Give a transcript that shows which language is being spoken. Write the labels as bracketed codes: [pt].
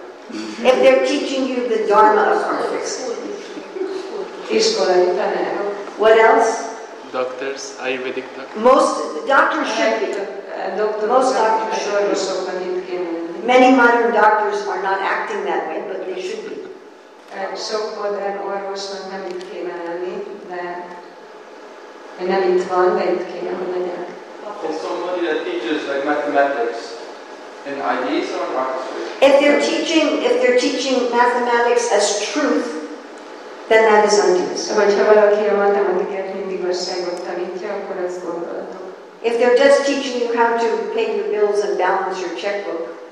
[en] If they're teaching you the dharma of car fixing, school. What else? Doctors, Ayurvedic doctors. Most doctors should be. Most doctors should be. Many modern doctors are not acting that way, but they should be. [hu] Sok modern orvosnak nem itt kéne lenni, de nem itt van, de itt kéne, hogy legyen. [en] And somebody that teaches like mathematics and ideas or practice. If they're teaching mathematics as truth, then that is ideas. [hu] Hogyha valaki a matematikát mindig igazságot tanítja, akkor ez gondolatok. [en] If they're just teaching you how to pay your bills and balance your checkbook.